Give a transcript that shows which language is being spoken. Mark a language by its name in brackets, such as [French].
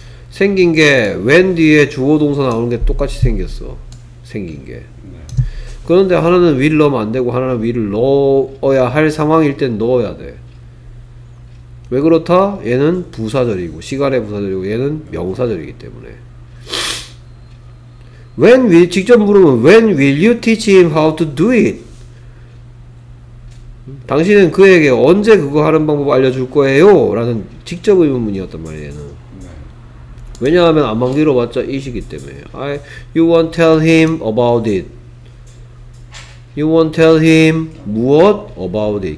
[Korean] 생긴 게, when 뒤에 주어 동사 나오는 게 똑같이 생겼어. 생긴 게. 그런데 하나는 will 넣으면 안 되고, 하나는 will 넣어야 할 상황일 땐 넣어야 돼. 왜 그렇다? 얘는 부사절이고, 시간의 부사절이고, 얘는 명사절이기 때문에. [English] When will, [Korean] 직접 물으면 [English] when will you teach him how to do it? [Korean] 당신은 그에게 언제 그거 하는 방법 알려줄 거예요? 라는 직접 의문문이었단 말이에요. 네. 왜냐하면 안방기로 봤자 이시기 때문에. [English] You won't tell him about it. You won't tell him [Korean] 무엇 [English] about it.